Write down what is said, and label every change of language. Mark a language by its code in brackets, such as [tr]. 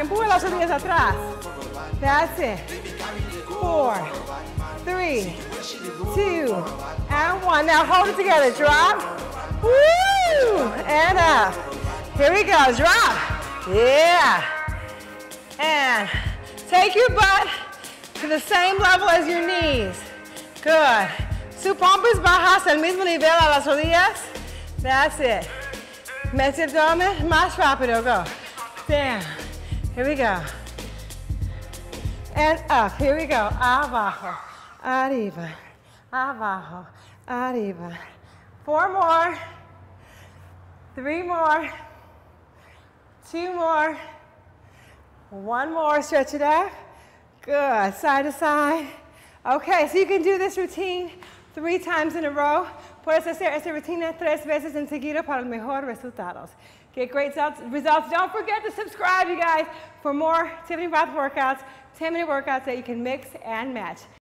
[en] And pull those knees [es] atrás. [en] That's it. Four. Three. Two. And one. Now hold it together. Drop. Woo! And up. Here we go. Drop. Yeah. And take your butt to the same level as your knees. Good. [es] Su pompas bajas al mismo nivel a las rodillas. [en] That's it. [es] Mete abdomen más rápido. [en] Go. Down. Here we go. And up. Here we go. [es] Abajo. Arriba. Abajo. Arriba. [en] Four more. Three more. Two more, one more, stretch it out. Good, side to side. Okay, so you can do this routine three times in a row. [es] Puedes hacer esta rutina tres veces en seguida para mejor resultados. [en] Get great results. Don't forget to subscribe, you guys, for more Tiffany Roth workouts, 10-minute workouts that you can mix and match.